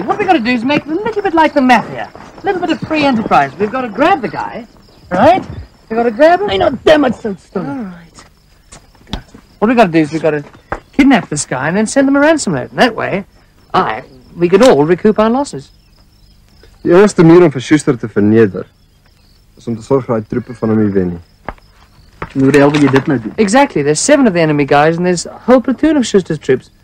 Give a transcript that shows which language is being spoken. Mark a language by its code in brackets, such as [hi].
[en] What we've got to do is make a little bit like the mafia. A little bit of free enterprise. We've got to grab the guy, right? We've got to grab him. I know, damn it, so stupid. All right. What we've got to do is we've got to kidnap this guy and then send him a ransom note. And that way, we can all recoup our losses. [af] Die eerste manier om vir Schuster te verneder, is om te sorg dat die troepe van hom nie wen nie. Hoe die hel wil jy dit nou doen? [en] Exactly, there's 7 of the enemy guys and there's a whole platoon of Schuster's troops.